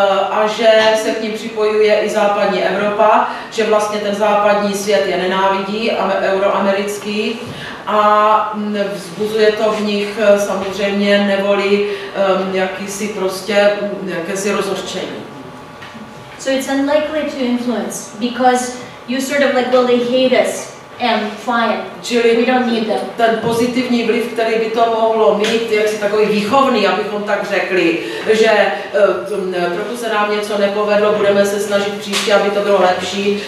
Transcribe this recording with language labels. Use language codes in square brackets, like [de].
[cs] A že se k ním připojuje i západní Evropa, že vlastně ten západní svět je nenávidí, euroamerický, a vzbuzuje to v nich samozřejmě nevolí jakýsi prostě jakési rozhořčení. [en] So it's unlikely to influence, because you sort of like, well, they hate us. And fine. We don't need them. [cs] Ten pozitivní vliv, který by to mohlo mít, je jaksi takový výchovný, abychom tak řekli, že trochu se nám něco nepovedlo, budeme se snažit příště, aby to bylo lepší.